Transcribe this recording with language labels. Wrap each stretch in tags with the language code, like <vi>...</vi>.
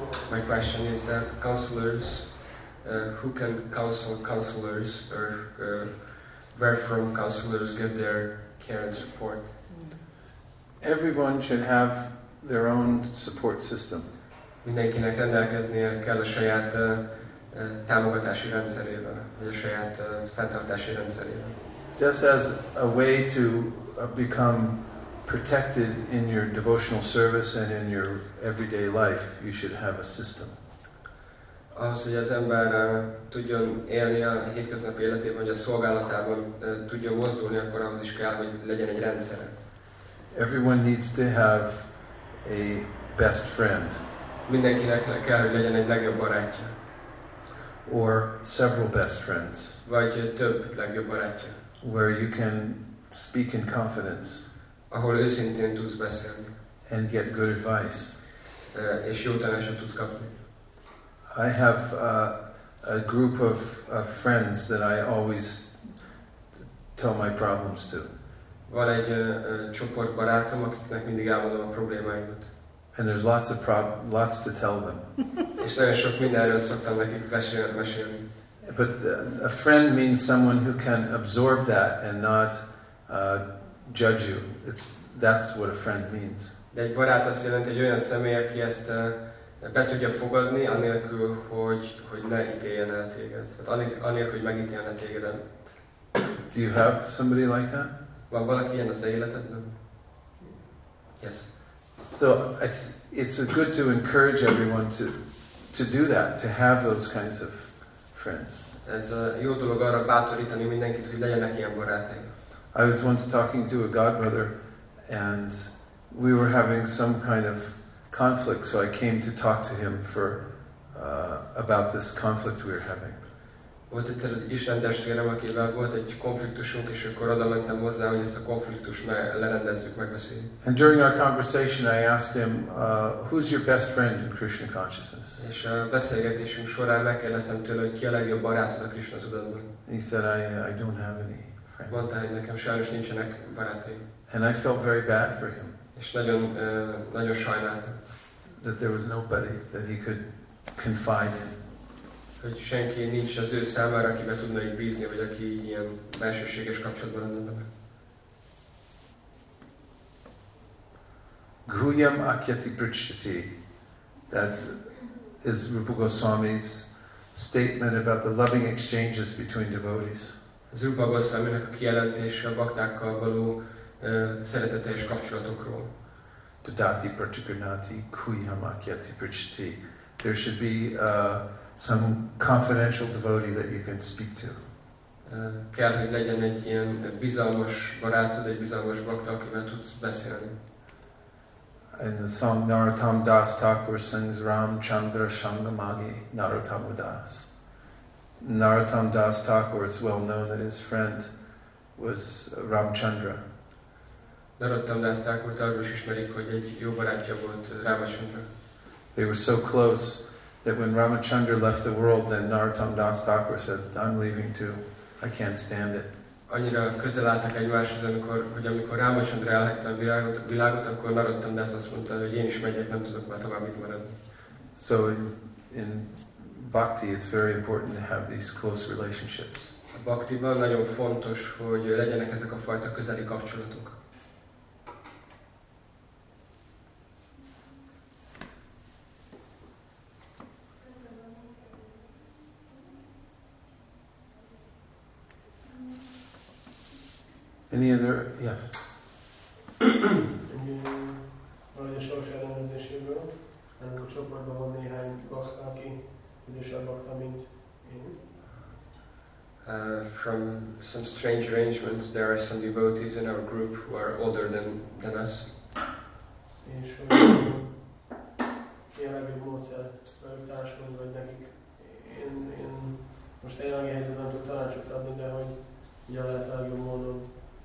<en>My question is that counselors, who can counsel counselors, or where from counselors get their care and support? Everyone should have their own support system.</en> <hu>Mindenkinek rendelkeznie kell a saját támogatási rendszerével, vagy a saját fenntartási rendszerével.</hu> <en>Just as a way to become protected in your devotional service and in your everyday life, you should have a system.</en> <hu>Ahhoz, hogy az ember tudjon élni a hétköznapi életében, vagy a szolgálatában tudjon mozdulni, akkor ahhoz is kell, hogy legyen egy rendszere.</hu> <en>Everyone needs to have a best friend.</en> <hu>Mindenkinek kell, hogy legyen egy legjobb barátja.</hu> <en>Or several best friends.</en> <hu>Vagy több legjobb barátja.</hu> <en>Where you can speak in confidence.</en> <hu>Ahol őszintén tudsz beszélni.</hu> <en>And get good advice.</en> <hu>És jó tanácsot tudsz kapni.</hu> <en>I have a group of friends that I always tell my problems to.</en> <hu>Van egy csoport barátom, akiknek mindig elmondom a problémáimat.</hu> <en>And there's lots to tell them.</en> <hu>És nagyon sok mindenről szoktam nekik mesélni.</hu> <en>But a friend means someone who can absorb that and not judge you. That's what a friend means.</en> <hu>De egy barát azt jelenti, egy olyan személy, aki ezt be tudja fogadni, anélkül, hogy ne ítéljen el téged. Tehát anélkül, hogy megítélne téged.</hu> <en>Do you have somebody like that?</en> <hu>Van valaki ilyen az életedben?</hu> <en>Yes. So it's good to encourage everyone to do that, to have those kinds of friends.</en> <hu>Ez a jó dolog arra bátorítani mindenkit, hogy legyenek ilyen barátai.</hu> <en>I was once talking to a godbrother, and we were having some kind of conflict, so I came to talk to him for about this conflict we were having.</en> <hu>Volt egyszer az Isten testvérem, akivel volt egy konfliktusunk, és akkor oda mentem hozzá, hogy ezt a konfliktust lerendezzük, megbeszéljük.</hu> <en>And during our conversation I asked him, who's your best friend in Krishna consciousness?</en> <hu>És a beszélgetésünk során megkérdeztem tőle, hogy ki a legjobb barátod a Krishna tudatban.</hu> <en>He said, I don't have any friends.</en> <hu>Mondta, hogy nekem sajnos nincsenek barátaim.</hu> <en>And I felt very bad for him.</en> <hu>És nagyon, nagyon sajnáltam.</hu> <en>That there was nobody that he could confide in.</en> <hu>Hogy senki nincs az ő számára, akibe tudna így bízni, vagy aki így ilyen belsőséges kapcsolatban lenne vele.</hu> <sa>Gruhyam akyati prichyati.</sa> <en>That is Rupa Goswami's statement about the loving exchanges between devotees.</en> <hu>Az Rupa Goswami-nak a kijelentése a baktákkal való szereteteljes kapcsolatokról.</hu> <sa>Dadati pratikrnati gruhyam akyati prichyati.</sa> <en>There should be some confidential devotee that you can speak to.</en> <hu>Kell, hogy legyen egy ilyen bizalmas barátod, egy bizalmas bakta, akivel tudsz beszélni.</hu> <en>In the song Narottam Das Thakur sings Ram Chandra Sangamagi Narottam Das. Narottam Das Thakur, it's well known that his friend was Ramchandra.</en> <hu>Narottam Das Thakur arról is ismerik, hogy egy jó barátja volt Ramachandra.</hu> <en>They were so close that when Ramachandra left the world, then Narottam Das Thakur said, I'm leaving too. I can't stand it.</en> <hu>Annyira közel álltak egymáshoz, hogy amikor Ramachandra elhagyta a világot, akkor Narottam Das azt mondta, hogy én is megyek, nem tudok már tovább itt maradni.</hu> <en>So in bhakti, it's very important to have these close relationships.</en> <hu>A bhaktiban nagyon fontos, hogy legyenek ezek a fajta közeli kapcsolatok.</hu> <en>Any other? Yes.</en> <hu>Valahogy a sors elrendezéséből, ennek a csoportban van néhány bakta, aki idősebb bakta, mint én.</hu> <en>From some strange arrangements, there are some devotees in our group who are older than us.</en> <hu>És hogy jelenleg egy módszert velük társulni, vagy nekik. Én most egy jelenlegi helyzetben nem tudok tanácsot adni, de hogy ugye lehet a legjobb módon.</hu>